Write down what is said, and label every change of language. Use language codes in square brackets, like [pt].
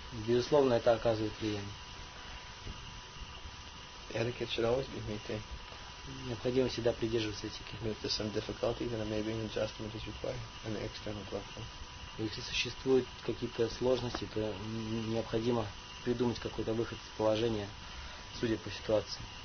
[ru] Безусловно, это оказывает влияние. [en] Etiquette should always be maintained. [ru] Необходимо всегда придерживаться этикета. [en] If there's some difficulty, then maybe an adjustment is required on the external platform. [ru] Если существуют какие-то сложности, то необходимо придумать какой-то выход из положения, судя по ситуации.